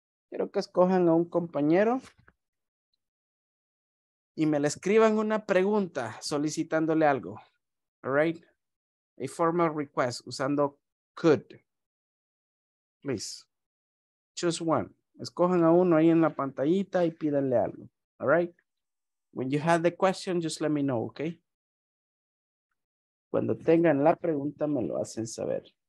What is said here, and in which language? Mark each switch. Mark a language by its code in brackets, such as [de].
[es] Quiero que escojan a un compañero y me le escriban una pregunta solicitándole algo. [en] All right? A formal request usando could. Please. Choose one. [es] Escojan a uno ahí en la pantallita y pídanle algo. [en] All right? When you have the question, just let me know, okay? [es] Cuando tengan la pregunta, me lo hacen saber.